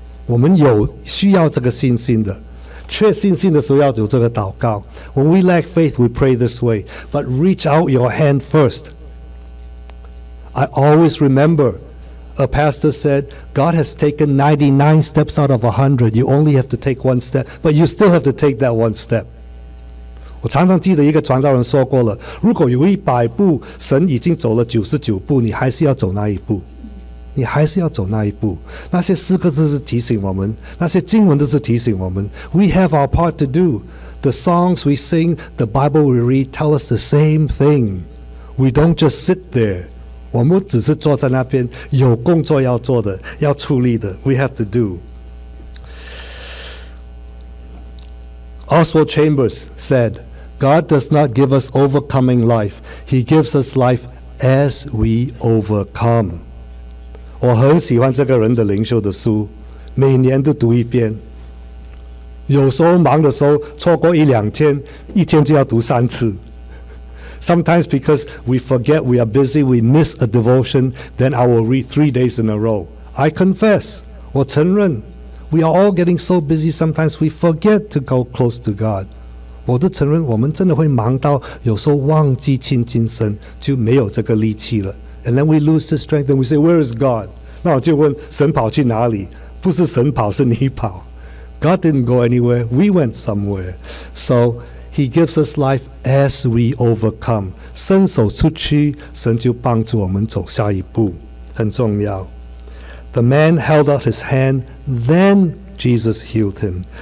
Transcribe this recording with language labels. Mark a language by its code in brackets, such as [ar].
[zh] 我们有需要这个信心的。缺信心的时候要有这个祷告。 [en] When we lack faith, we pray this way. But reach out your hand first. I always remember a pastor said, God has taken 99 steps out of 100. You only have to take one step, but you still have to take that one step. [zh] 我常常记得一个传道人说过了，如果有100步，神已经走了99步，你还是要走那一步。你还是要走那一步。那些诗歌都是提醒我们，那些经文都是提醒我们。 [en] We have our part to do. The songs we sing, the Bible we read tell us the same thing. We don't just sit there. [zh] 我们只是坐在那边，有工作要做的，要处理的。 [en] We have to do. Oswald Chambers said, God does not give us overcoming life. He gives us life as we overcome. [zh] 我很喜欢这个人的灵修的书，每年都读一遍。有时候忙的时候，错过一两天，一天就要读三次。 [en] Sometimes because we forget, we are busy, we miss a devotion, then I will read 3 days in a row. I confess, [zh] 我承认, [en] we are all getting so busy, sometimes we forget to go close to God. [zh] 我都承认我们真的会忙到有时候忘记亲近神，就没有这个力气了。 [en] And then we lose the strength and we say, where is God? [zh] 那我就问神跑去哪里?不是神跑，是你跑。 [en] God didn't go anywhere, we went somewhere. So he gives us life as we overcome. [zh] 伸手出去，神就帮助我们走下一步，很重要。 [en] The man held out his hand, then Jesus healed him.